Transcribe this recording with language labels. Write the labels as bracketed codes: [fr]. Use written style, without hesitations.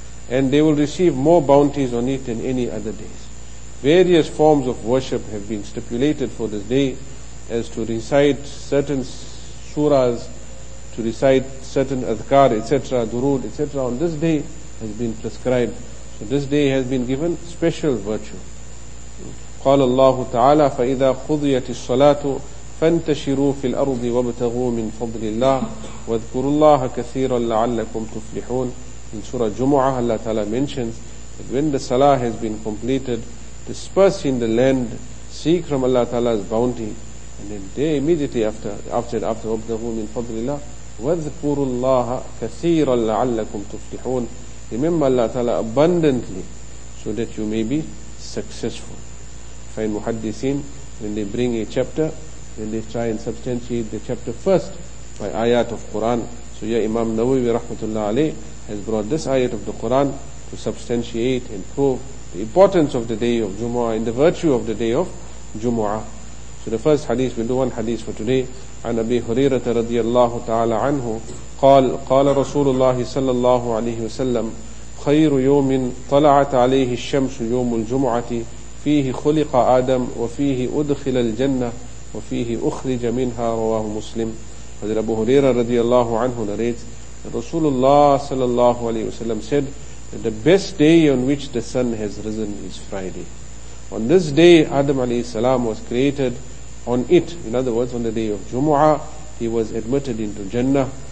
[en] And they will receive more bounties on it than any other days. Various forms of worship have been stipulated for this day, as to recite certain surahs, to recite certain adhkar, etc., durood, etc., on this day has been prescribed. So this day has been given special virtue. [ar] قال الله تعالى فإذا قضيت الصلاة فانتشروا في الأرض وابتغوا من فضل الله واذكروا الله كثيرا لعلكم تفلحون. [en] In Surah Jumu'ah, Allah Ta'ala mentions that when the Salah has been completed, disperse in the land, seek from Allah Ta'ala's bounty, and then they immediately after [ar] وابتغوا من فضل الله واذكروا الله كثيرا لعلكم تفلحون. [en] Remember Allah Ta'ala abundantly so that you may be successful. Find muhaddithin, when they bring a chapter, then they try and substantiate the chapter first by ayat of Quran. So ya Imam Nawawi rahmatullah alayh has brought this ayat of the Quran to substantiate and prove the importance of the day of Jumu'ah and the virtue of the day of Jumu'ah. So the first hadith, we'll do one hadith for today. [ar] An Abi Hurairah radiyallahu ta'ala anhu, قال رسول الله صلى الله عليه وسلم خير يوم طلعت عليه الشمس يوم الجمعة فيه خلق آدم وفيه أدخل الجنة وفيه أخرج منها رواه مسلم. [en] حضرة أبو هريرة [ar] رضي الله عنه [en] narrates that [ar] رسول الله صلى الله عليه وسلم [en] said that the best day on which the sun has risen is Friday. On this day Adam عليه السلام was created. On it, in other words, on the day of Jumu'ah, he was admitted into Jannah.